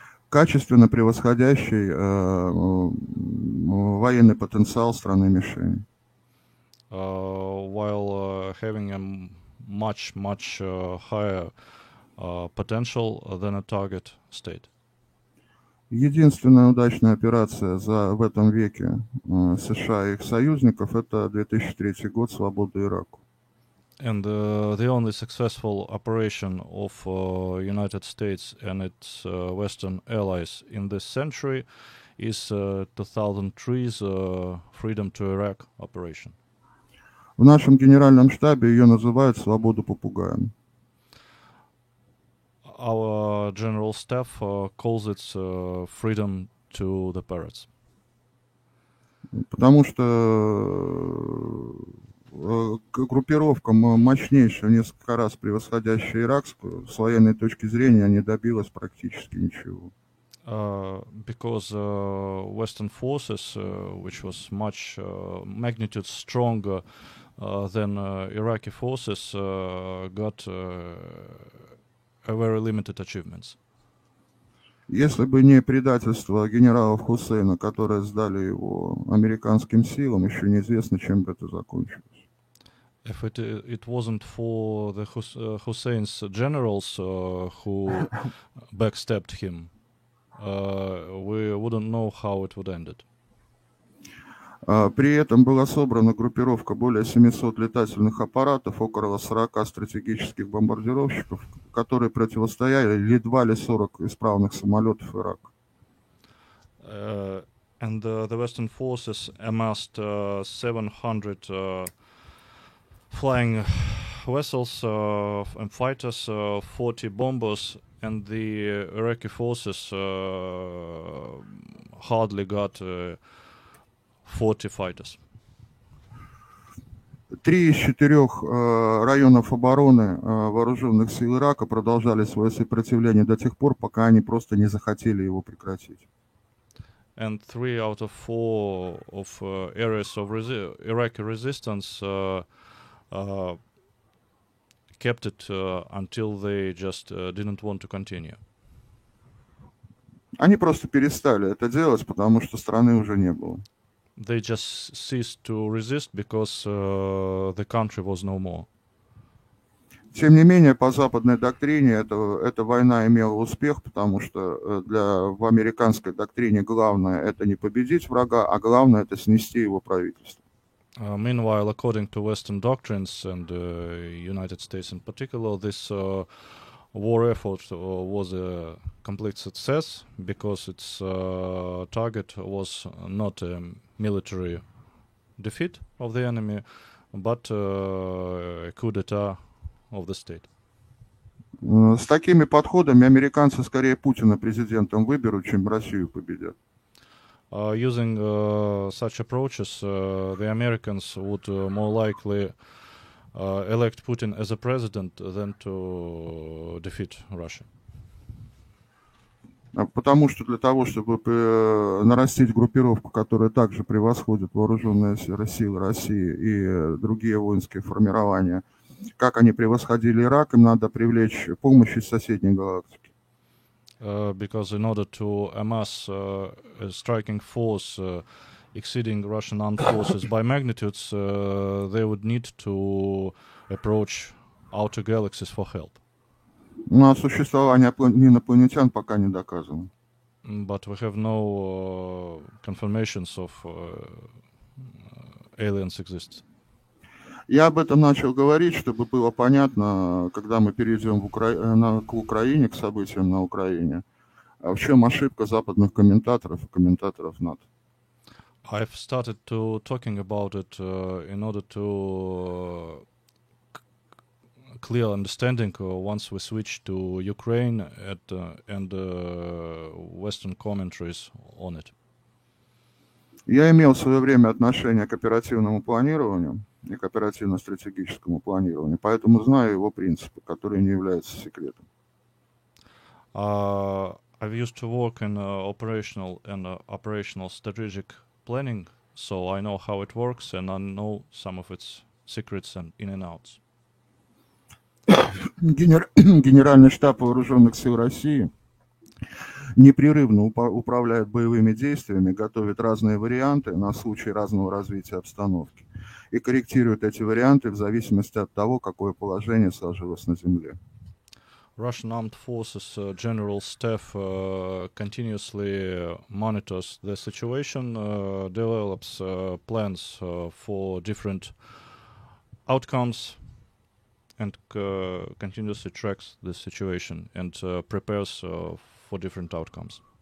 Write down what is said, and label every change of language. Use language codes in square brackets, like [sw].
[ru] Качественно превосходящий военный потенциал страны-мишени. [en] While having a much higher potential than a target state. [ru] Единственная удачная операция за в этом веке США и их союзников – это 2003 год, свобода Ирака. [en] And the only successful operation of United States and its Western allies in this century is 2003's Freedom to Iraq operation. [ru] В нашем генеральном штабе ее называют «Свобода попугаем». [en] Our general staff calls it freedom to the parrots. [ru] Потому что группировка мощнейшая, несколько раз превосходящая иракскую, с военной точки зрения не добилась практически ничего. [en] Because Western forces, which was much magnitude stronger than Iraqi forces, got a very limited achievements. [ru] Если бы не предательство генералов Хусейна, которые сдали его американским силам, еще неизвестно, чем бы это закончилось. [en] If it wasn't for the Hussein's generals who backstabbed him, we wouldn't know how it would end it. [ru] При этом была собрана группировка более 700 летательных аппаратов, около 40 стратегических бомбардировщиков, которые противостояли едва ли 40 исправных самолетов Ирака. [en] And the Western forces amassed 700 flying vessels and fighters, 40 bombers, and the Iraqi forces hardly got 40 fighters. [ru] Три из четырех районов обороны вооруженных сил Ирака продолжали свое сопротивление до тех пор, пока они просто не захотели его прекратить. [en] And three out of four of areas of Iraqi resistance kept it until they just didn't want to continue. [ru] Они просто перестали это делать, потому что страны уже не было. [en] They just ceased to resist because the country was no more. [ru] Тем не менее, по западной доктрине эта война имела успех, потому что в американской доктрине главное это не победить врага, а главное это снести его правительство. [en] Meanwhile, according to Western doctrines and United States in particular, this war effort was a complete success because its target was not a military defeat of the enemy, but a coup d'etat of the state. [ru] С такими подходами американцы скорее Путина президентом выберут, чем Россию победят. [en] Using such approaches, the Americans would more likely elect Putin as a president than to defeat Russia. [ru] Потому что для того, чтобы нарастить группировку, которая также превосходит вооруженные силы России и другие воинские формирования, как они превосходили Ирак, им надо привлечь помощь из соседней галактики. [en] Because in order to amass a striking force exceeding Russian armed forces by magnitudes, they would need to approach outer galaxies for help. [ru] Но существование инопланетян пока не доказано. [en] But we have no confirmations of aliens exist. [ru] Я об этом начал говорить, чтобы было понятно, когда мы перейдем к Украине, к событиям на Украине, в чем ошибка западных комментаторов и комментаторов НАТО. [en] I've started to talking about it in order to clear understanding once we switch to Ukraine at, and Western commentaries on it. [ru] Я имел в свое время отношение к оперативному планированию. И к оперативно-стратегическому планированию. Поэтому знаю его принципы, которые не являются секретом. [en] I've used to work in operational and operational strategic planning, so I know how it works and I know some of its secrets and in and outs. [ru] Генеральный штаб вооруженных сил России непрерывно управляет боевыми действиями, готовит разные варианты на случай разного развития обстановки и корректирует эти варианты в зависимости от того, какое положение сложилось на земле. [en] Russian Armed Forces General Staff continuously monitors the situation, develops plans for different outcomes and continuously tracks the situation and prepares for different outcomes.